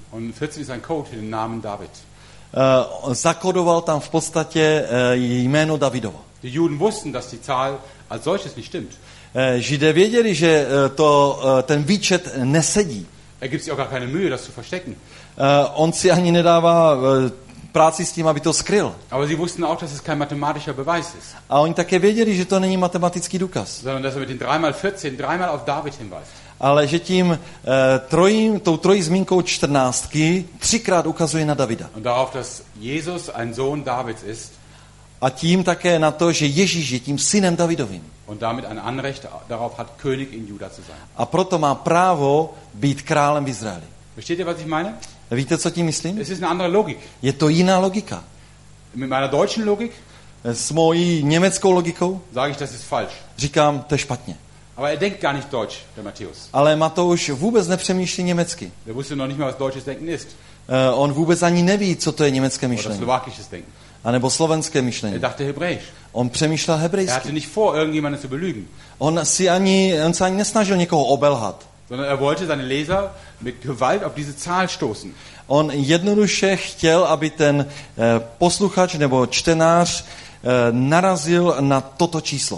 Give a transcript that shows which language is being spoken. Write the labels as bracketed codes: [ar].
[cs] a 14 je ten kód pro jméno David. Zakodoval tam v podstatě jméno Davidovo. [de] Die Juden wussten, dass die Zahl als solches nicht stimmt. [cs] Židé věděli, že to ten výčet nesedí. [de] Er gibt sich auch gar keine Mühe, das zu verstecken. [cs] On si ani nedává práci s tím, aby to skryl. [de] Aber sie wussten auch, dass es kein mathematischer Beweis ist. [cs] A oni také věděli, že to není matematický důkaz. [de] Sondern dass er mit den 3x14 dreimal auf David hinweist. [cs] Ale že tím tou trojí zmínkou čtrnáctky třikrát ukazuje na Davida. [de] Und darauf, dass Jesus ein Sohn Davids ist. [cs] A tím také na to, že Ježíš je tím synem Davidovým. [de] Und damit ein Anrecht darauf hat, König in Juda zu sein. [cs] A proto má právo být králem v Izraeli. [de] Versteht ihr, was ich meine? [cs] Víte, co tím myslím? [de] Es ist eine andere Logik. [cs] Je to jiná logika. [de] Mit meiner deutschen Logik? [cs] S mojí německou logikou? [de] Sage ich, das ist falsch. [cs] Říkám, to je špatně. [de] Aber er denkt gar nicht deutsch, der Matthäus. [cs] Ale Matouš vůbec nepřemýšlí německy. [de] Er wusste noch nicht mal, was deutsches Denken ist. [cs] On vůbec ani neví, co to je německé myšlení. [de] Oder slovakisches Denken. [cs] A nebo slovenské myšlení. [de] Er dachte hebräisch. [cs] On přemýšlel hebrejsky. [de] Er hatte nicht vor, irgendjemanden zu belügen. [cs] On se ani nesnažil někoho obelhat. [de] Sondern er wollte seine Leser mit Gewalt auf diese Zahl stoßen. [cs] On jednoduše chtěl, aby ten posluchač nebo čtenář narazil na toto číslo.